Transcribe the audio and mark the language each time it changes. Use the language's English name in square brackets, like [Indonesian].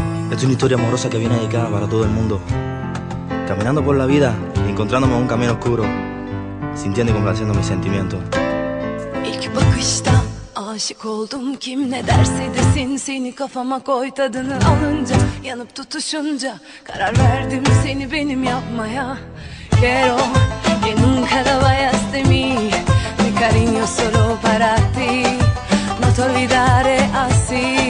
[Spanish] Es una historia amorosa que viene dedicada para todo el mundo. Caminando por la vida, encontrándome en un camino oscuro, sintiendo y complaciendo mis sentimientos. [Turkish] İlk bakışta aşık oldum, kim ne derse desin. Seni kafama koy, tadını alınca, yanıp tutuşunca, karar verdim seni benim yapmaya. [Spanish] Quiero que nunca lo vayas de mí, mi cariño solo para ti, no te olvidaré así.